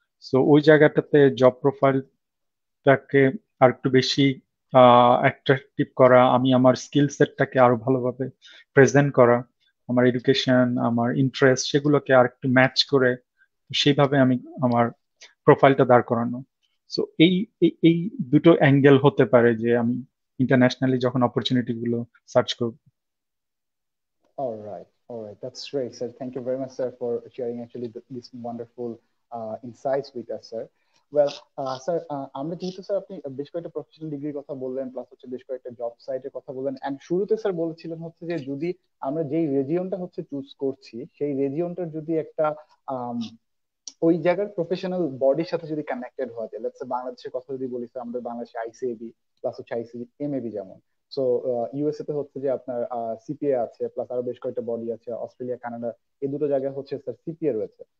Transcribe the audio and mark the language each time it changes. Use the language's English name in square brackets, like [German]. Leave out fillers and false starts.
[Bangla] So ওই জায়গাটাতে job প্রোফাইলটাকে আর একটু বেশি অ্যাট্রাকটিভ করা, আমি আমার স্কিল সেটটাকে আরো ভালোভাবে প্রেজেন্ট করা, আমার এডুকেশন, আমার ইন্টারেস্ট সেগুলোকে আর একটু ম্যাচ করে সেইভাবে আমি আমার প্রোফাইলটা দাঁড় করানো। সো এই এই দুটো অ্যাঙ্গেল হতে পারে যে আমি ইন্টারন্যাশনালি যখন অপরচুনিটি গুলো সার্চ করব। [English] Alright, alright, that's great, sir. Thank you very much, sir, for sharing actually this wonderful insights with us, sir. [Bangla] Well, sir, আমরা যেহেতু স্যার আপনি বেশ কয়েকটা প্রফেশনাল ডিগ্রির কথা বললেন, প্লাস হচ্ছে বেশ কয়েকটা জব সাইটের কথা বললেন, এন্ড শুরুতে স্যার বলেছিলেন হচ্ছে যে যদি আমরা যেই রেজিওনটা হচ্ছে চুজ করছি, সেই রেজিওনটার যদি একটা ওই জায়গার প্রফেশনাল বডির সাথে যদি কানেক্টেড হওয়া যায়, লেটস সে বাংলাদেশের কথা যদি বলি, স্যার আমাদের বাংলাদেশে আইসিএবি প্লাস হচ্ছে আইসিবি এমএবি, যেমন তো ইউএসএ তে হচ্ছে যে আপনার সিপিএ আছে, প্লাস আরো বেশ কয়েকটা বডি আছে, অস্ট্রেলিয়া, কানাডা, এই দুটো জায়গায় হচ্ছে স্যার সিপিএ রয়েছে।